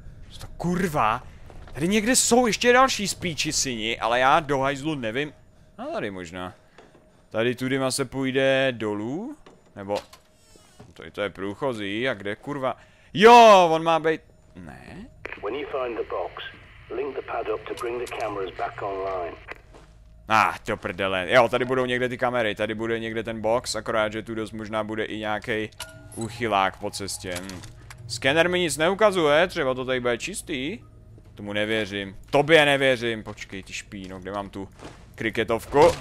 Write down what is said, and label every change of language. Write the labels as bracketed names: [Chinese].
[Czech] Co to kurva? Tady někde jsou ještě další spíči syni, ale já do hajzlu nevím. A tady možná. Tady tudyma se půjde dolů? Nebo... Tady to je průchozí a kde kurva? Jo, on má být... Ne? [English] When you find the box, link the pad up to bring the cameras back online. [Czech] To prdele. Jo, tady budou někde ty kamery, tady bude někde ten box, akorát, že tu dost možná bude i nějaký úchylák po cestě. Scanner mi nic neukazuje, třeba to tady bude čistý. Tomu nevěřím. Tobě nevěřím. Počkej, ty špíno, kde mám tu kriketovku?